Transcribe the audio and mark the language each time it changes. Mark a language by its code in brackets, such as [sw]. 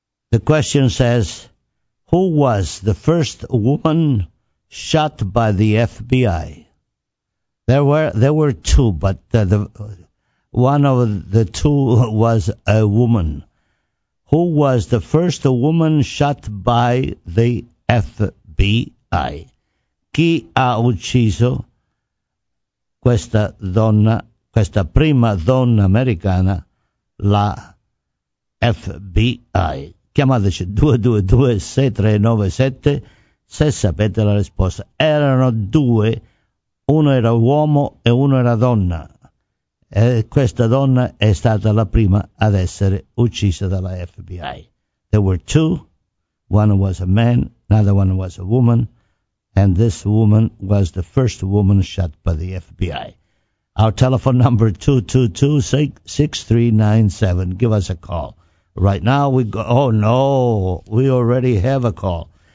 [en] The question says, who was the first woman shot by the FBI? There were two, but one of the two was a woman. Who was the first woman shot by the FBI? [it] Chi ha ucciso questa donna, questa prima donna americana, la FBI? Chiamateci 222-6397 se sapete la risposta. Erano due, uno era uomo e uno era donna. E questa donna è stata la prima ad essere uccisa dalla FBI. [en] There were two, one was a man, another one was a woman, and this woman was the first woman shot by the FBI. Our telephone number 222-6397. Give us a call. Right now we go, oh no, we already have a call.